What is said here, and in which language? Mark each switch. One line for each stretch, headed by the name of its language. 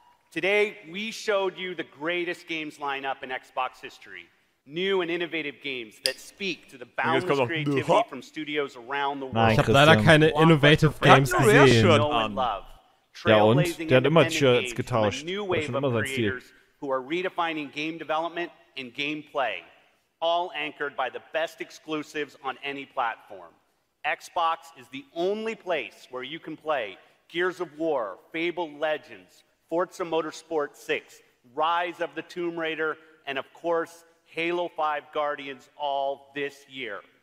English: Today we showed you the greatest games lineup in Xbox history. New and innovative games that speak to the boundless creativity from studios around the world.
German: Nein, ich habe leider keine innovative Games gesehen. Ja und? Der hat immer Shirts getauscht. Das ist schon immer sein Ziel.
English: Who are redefining game development and gameplay, all anchored by the best exclusives on any platform. Xbox is the only place where you can play Gears of War, Fable Legends, Forza Motorsport 6, Rise of the Tomb Raider, and of course, Halo 5 Guardians all this year.